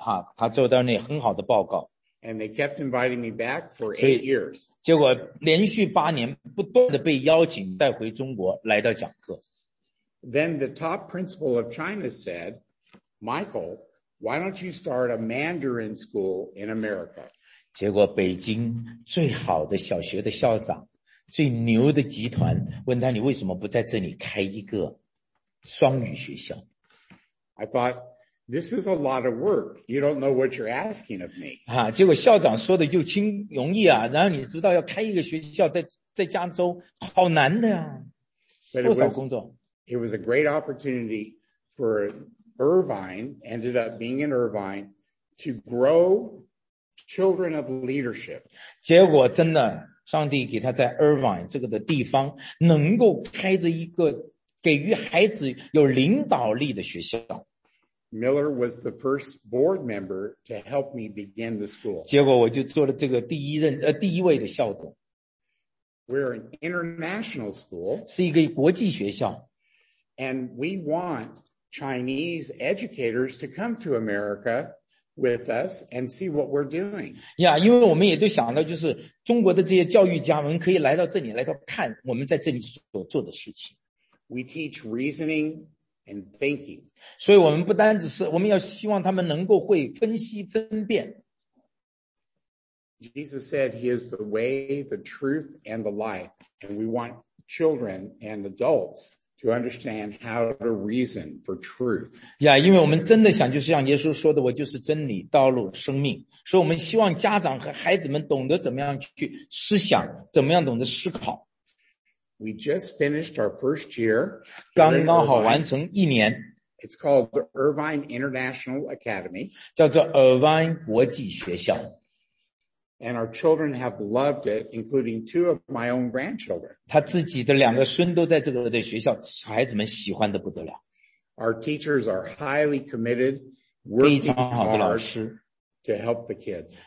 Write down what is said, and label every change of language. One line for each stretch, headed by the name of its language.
Chinese: 结果是一个中国最好的学校来到迎接我们，他做到那很好的报告。
English: And they kept inviting me back for 8 years.
Chinese: 结果连续8年不断地被邀请带回中国来到讲课。
English: Then the top principal of China said, Michael, why don't you start a Mandarin school in America?
Chinese: 结果北京最好的小学的校长，最牛的集团，问他你为什么不在这里开一个双语学校？
English: I thought, this is a lot of work. You don't know what you're asking of me.
Chinese: 结果校长说的就轻容易啊，然后你知道要开一个学校在加州，好难的啊，多少工作。
English: It was a great opportunity for Irvine, ended up being in Irvine, to grow children of leadership.
Chinese: 结果真的, 上帝给他在 Irvine 这个的地方能够开着一个给予孩子有领导力的学校。
English: Miller was the first board member to help me begin the school.
Chinese: 结果我就做了这个第一任第一位的校董。
English: We're an international school.
Chinese: 是一个国际学校。
English: And we want Chinese educators to come to America with us and see what we're doing.
Chinese: Yeah, 因为我们也都想到就是中国的这些教育家们可以来到这里来到看我们在这里所做的事情。
English: We teach reasoning and thinking.
Chinese: 所以我们不单只是我们要希望他们能够会分析分辨。
English: Jesus said he is the way, the truth, and the life. And we want children and adults to understand how to reason for truth.
Chinese: Yeah, 因为我们真的想就是像耶稣说的我就是真理道路生命。所以我们希望家长和孩子们懂得怎么样去思想怎么样懂得思考。
English: We just finished our first year.
Chinese: 刚刚好完成一年。
English: It's called the Irvine International Academy.
Chinese: 叫做 Irvine 国际学校。
English: And our children have loved it, including two of my own grandchildren.
Chinese: 他自己的两个孙都在这个的学校，孩子们喜欢的不得了。
English: Our teachers are highly committed, working hard to help the kids.